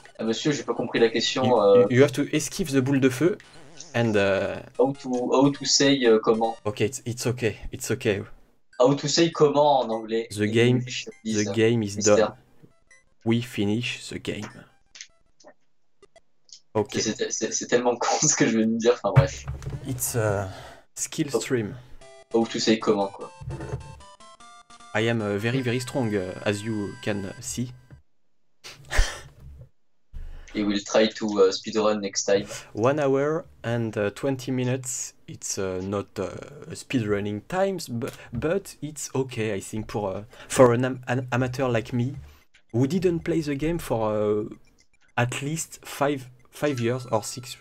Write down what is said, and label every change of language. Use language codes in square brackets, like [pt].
[fr] Ah, monsieur, j'ai pas compris la question. [en] You have to esquive the [fr] boule de feu. [en] And how to say comment? Okay, it's okay. How to say [fr] comment en anglais? [en] The game, English, the game is done. We finish the game. Ok. [fr] C'est tellement con ce que je viens de dire, enfin bref. [en] It's a skill stream. [fr] Oh, tu sais comment, quoi. [en] I am very very strong, as you can see. Et we'll try to speedrun next time. 1 hour and 20 minutes, it's not speedrunning times, but it's okay, I think, pour for an amateur like me, who didn't play the game for at least 5 years or 6.